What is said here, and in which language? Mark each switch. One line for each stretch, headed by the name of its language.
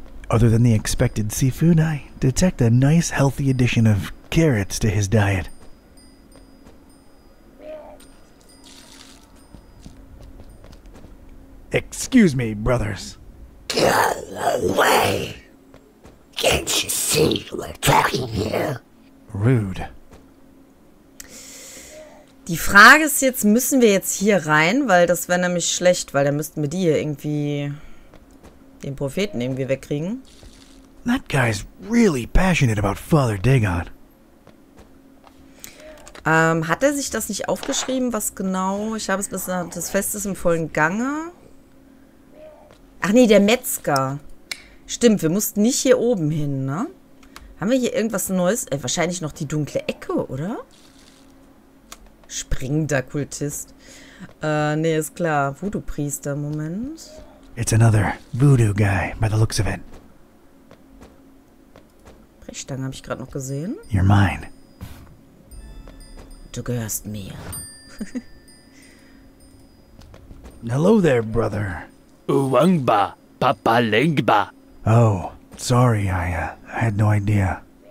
English: Other than the expected seafood, I detect a nice healthy addition of carrots to his diet. Excuse me, brothers. Go away! Can't you see we're talking here? Rude.
German: Die Frage ist jetzt, müssen wir jetzt hier rein? Weil das wäre nämlich schlecht, weil dann müssten wir die hier irgendwie. Den Propheten irgendwie wegkriegen.
English: That guy's really passionate about Father Dagon.
German: Hat er sich das nicht aufgeschrieben, was genau? Ich habe es bis nach des Festes im vollen Gange. Ach nee, der Metzger. Stimmt, wir mussten nicht hier oben hin, ne? Haben wir hier irgendwas Neues? Wahrscheinlich noch die dunkle Ecke, oder? Springender Kultist. Nee, ist klar. Voodoo-Priester, Moment.
English: It's another voodoo guy, by the looks of it.
German: Brechstange habe ich gerade noch gesehen.
English: You're mine.
German: Du gehörst mir.
English: Hello there, brother. Uwangba, Papalengba. Oh, sorry, I had no idea.